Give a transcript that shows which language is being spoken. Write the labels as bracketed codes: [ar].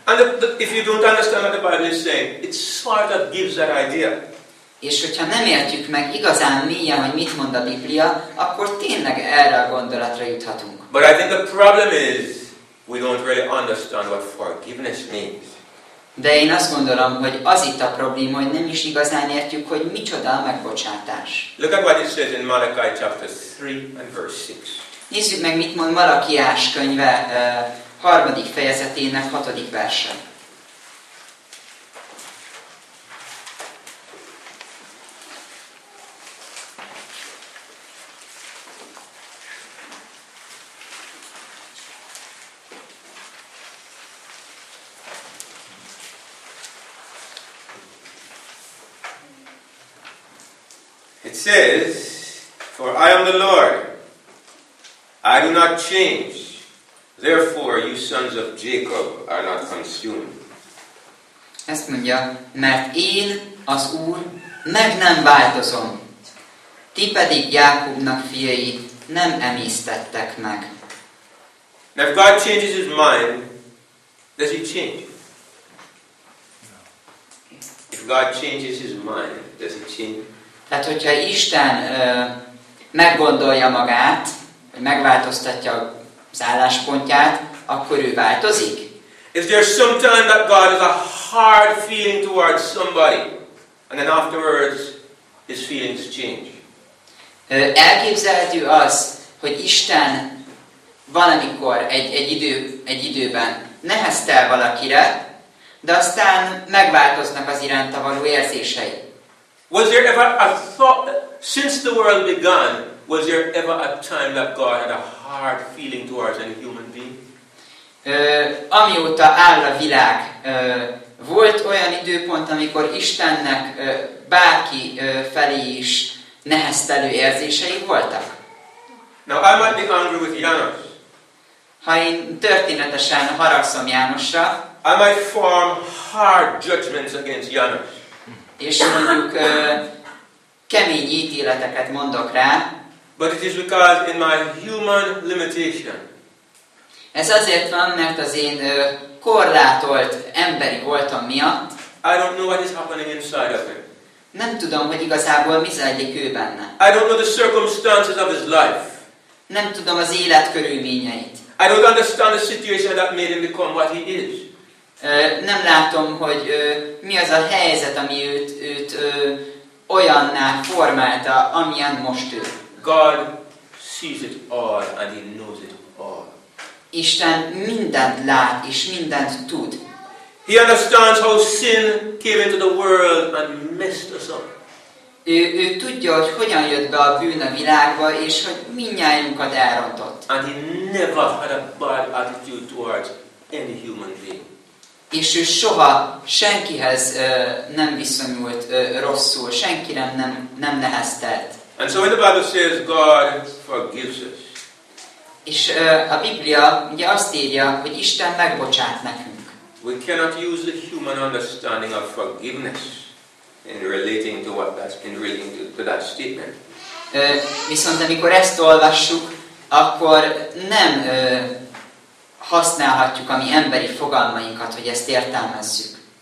[en] And if you don't understand what the Bible is saying, it's smart that gives that idea. [hu] És hogyha nem értjük meg igazán mélyen, hogy mit mond a Biblia, akkor tényleg erre a gondolatra juthatunk. [en] But I think the problem is we don't really understand what forgiveness means. [hu] De én azt gondolom, hogy az itt a probléma, hogy nem is igazán értjük, hogy micsoda a megbocsátás. [en] Look at what it says in Malachi chapter 3 and verse 6. [hu] Nézzük meg, mit mond Malakiás könyve harmadik fejezetének hatodik verse. [en] It says, for I am the Lord, I do not change. Therefore, you sons of Jacob are not consumed. [hu] Ezt mondja, mert én, az Úr, meg nem változom. Ti pedig Jákobnak fiai nem emésztettek meg. [en] Now, if God changes his mind, does he change? If God changes his mind, does he change? [hu] Tehát, hogyha Isten meggondolja magát, hogy megváltoztatja az álláspontját, akkor ő változik? [en] Is there some time that God has a hard feeling towards somebody, and then afterwards his feelings change? [hu] Elképzelhető az, hogy Isten valamikor egy időben neheztel valakire, de aztán megváltoznak az iránta való érzései. [en] Was there ever a thought since the world began? Was there ever a time that God had a hard feeling towards any human being? [hu] Amióta áll a világ, volt olyan időpont, amikor Istennek bárki felé is neheztelő érzései voltak? [en] Now I might be angry with János. [hu] Ha én történetesen haragszom Jánosra, [en] I might form hard judgments against János. [hu] És mondjuk kemény ítéleteket mondok rá. [en] But it is because in my human limitation. [hu] Ez azért van, mert az én korlátolt emberi voltam miatt. [en] I don't know what is happening inside of him. [hu] Nem tudom, hogy igazából mi zajlik ő benne. [en] I don't know the circumstances of his life. [hu] Nem tudom az élet körülményeit. [en] I don't understand the situation that made him become what he is. [hu] Nem látom, hogy mi az a helyzet, ami őt olyanná formálta, amilyen most ő. [en] God sees it all, and he knows it all. [hu] Isten mindent lát, és mindent tud. [en] He understands how sin came into the world and messed us up. [hu] Ő tudja, hogy hogyan jött be a bűn a világba, és hogy mindnyájunkat elrontott. [en] And he never had a bad attitude towards any human being. [hu] És ő soha senkihez nem viszonyult rosszul, senkire nem neheztelt. [en] And so when the Bible says God forgives us. [hu] És a Biblia ugye azt írja, hogy Isten megbocsát nekünk. [en] We cannot use the human understanding of forgiveness in relating to what that's been relating to that statement. [hu] Viszont amikor ezt olvassuk, akkor nem használhatjuk a mi emberi fogalmainkat, hogy ezt értelmezzük.